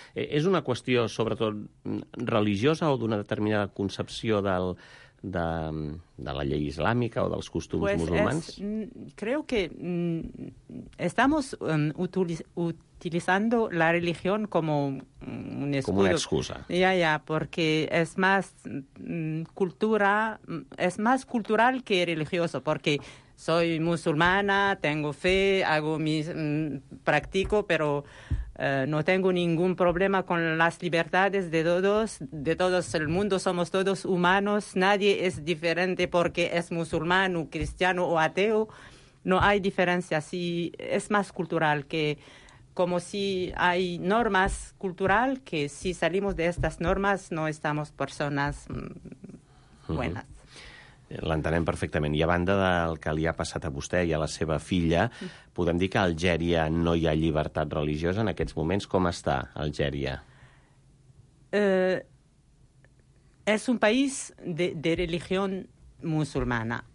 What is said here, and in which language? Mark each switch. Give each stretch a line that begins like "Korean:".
Catalan: És una qüestió, sobretot, religiosa o d'una determinada concepció de la llei islàmica o dels costums
Spanish: pues
Catalan: musulmans?
Spanish: Creo que estamos utilizando la religión como un escudo. Como una excusa. Ya, porque es más cultura, es más cultural que religioso, porque soy musulmana, tengo fe, hago mis practico, pero no tengo ningún problema con las libertades de todos el mundo, somos todos humanos, nadie es diferente porque es musulmán, o cristiano o ateo, no hay diferencia, sí, es más cultural, que como si hay normas cultural que si salimos de estas normas no estamos personas buenas. Mm-hmm.
Catalan: L'entenem perfectament. I a banda del que li ha passat a vostè i a la seva filla, podem dir que a Algèria no hi ha llibertat religiosa en aquests moments? Com està Algèria? És un país de religió musulmana.